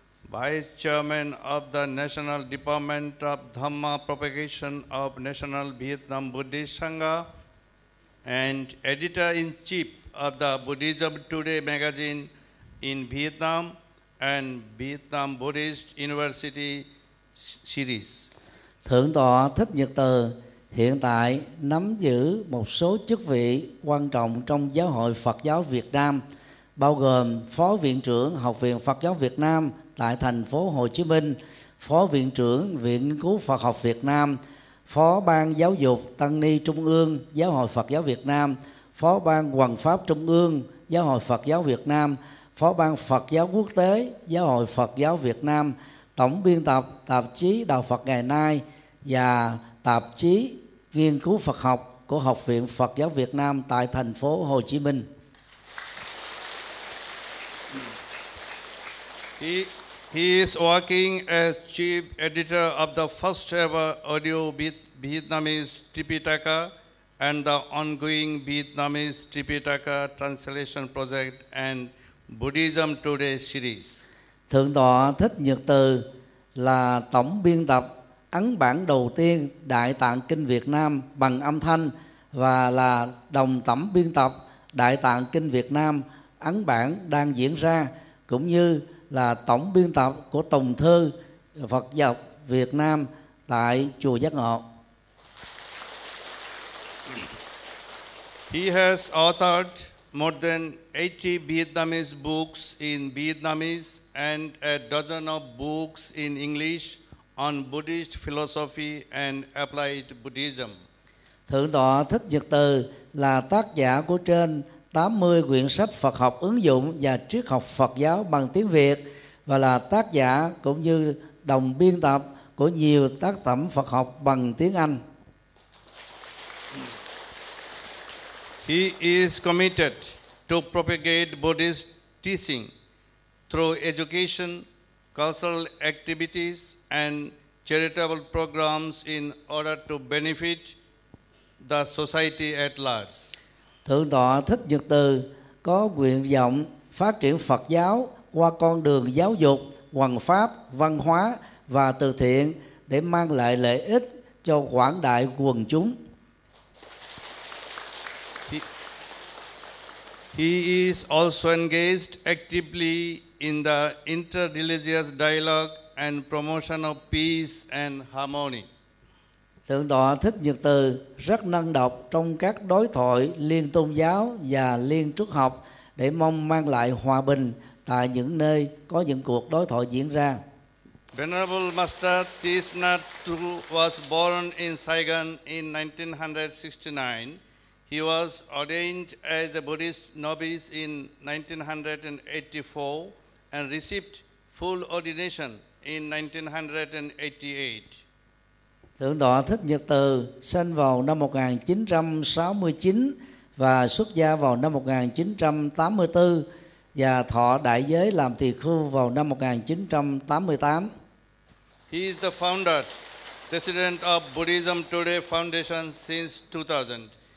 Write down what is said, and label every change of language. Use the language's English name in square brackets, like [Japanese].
[English] Vice Chairman of the National Department of Dhamma Propagation of National Vietnam Buddhist Sangha, and Editor-in-Chief of the Buddhism Today magazine in Vietnam and Vietnam Buddhist University series. [Vietnamese] Thượng tọa Thích Nhật Từ hiện tại nắm giữ một số chức vị quan trọng trong Giáo hội Phật giáo Việt Nam, bao gồm Phó Viện trưởng Học viện Phật giáo Việt Nam tại thành phố Hồ Chí Minh, Phó Viện trưởng Viện Nghiên cứu Phật học Việt Nam, Phó Ban Giáo dục Tăng ni Trung ương Giáo hội Phật giáo Việt Nam, Phó Ban Hoằng pháp Trung ương Giáo hội Phật giáo Việt Nam, Phó Ban Phật giáo Quốc tế Giáo hội Phật giáo Việt Nam, Tổng biên tập tạp chí Đạo Phật Ngày Nay và tạp chí Nghiên cứu Phật học của Học viện Phật giáo Việt Nam tại thành phố Hồ Chí Minh. [English] He is working as chief editor of the first ever audio Vietnamese Tripitaka and the ongoing Vietnamese Tripitaka translation project and Buddhism Today series. [Vietnamese] Thượng tọa Thích Nhật Từ là tổng biên tập ấn bản đầu tiên Đại Tạng Kinh Việt Nam bằng âm thanh và là đồng tổng biên tập Đại Tạng Kinh Việt Nam ấn bản đang diễn ra, cũng như là tổng biên tập của tùng thư Phật giáo Việt Nam tại chùa Giác Ngộ. [English] He has authored more than 80 Vietnamese books in Vietnamese and a dozen of books in English on Buddhist philosophy and applied Buddhism. [Vietnamese] Thượng tọa Thích Nhật Từ là tác giả của trên 80 quyển sách Phật học ứng dụng và triết học Phật giáo bằng tiếng Việt và là tác giả cũng như đồng biên tập của nhiều tác phẩm Phật học bằng tiếng Anh. [English] He is committed to propagate Buddhist teaching through education, cultural activities and charitable programs in order to benefit the society at large. [Vietnamese] Thượng tọa Thích Nhật Từ có nguyện vọng phát triển Phật giáo qua con đường giáo dục, hoằng pháp, văn hóa và từ thiện để mang lại lợi ích cho quảng đại quần chúng. [English] He is also engaged actively in the interreligious dialogue and promotion of peace and harmony. [Vietnamese] Thượng tọa Thích Nhật Từ rất năng động trong các đối thoại liên tôn giáo và liên triết học để mong mang lại hòa bình tại những nơi có những cuộc đối thoại diễn ra. [English] Venerable Master Thich Nhat Hanh was born in Saigon in 1969. He was ordained as a Buddhist novice in 1984 and received full ordination in 1988. [Vietnamese] Thượng tọa Thích Nhật Từ sinh vào năm 1969 và xuất gia vào năm 1984 và thọ đại giới làm tỳ khưu vào năm 1988. [English] He is the founder, president of Buddhism Today Foundation since 2000.